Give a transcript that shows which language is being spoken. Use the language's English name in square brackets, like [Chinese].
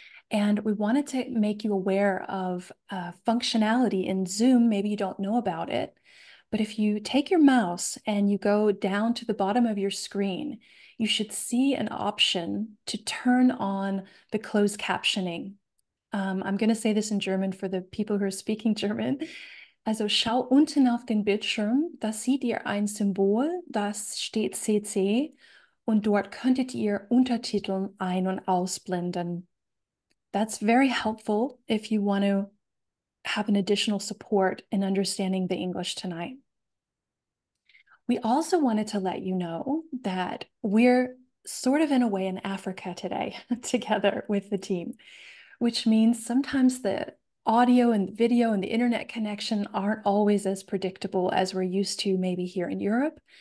[English] And we wanted to make you aware of functionality in Zoom. Maybe you don't know about it, but if you take your mouse and you go down to the bottom of your screen, you should see an option to turn on the closed captioning. I'm going to say this in German for the people who are speaking German. [German] Also schau unten auf den Bildschirm, da seht ihr ein Symbol, das steht CC, und dort könntet ihr Untertiteln ein- und ausblenden. [English] That's very helpful if you want to have an additional support in understanding the English tonight. We also wanted to let you know that we're sort of in a way in Africa today, together with the team, which means sometimes the audio and the video and the internet connection aren't always as predictable as we're used to, maybe here in Europe.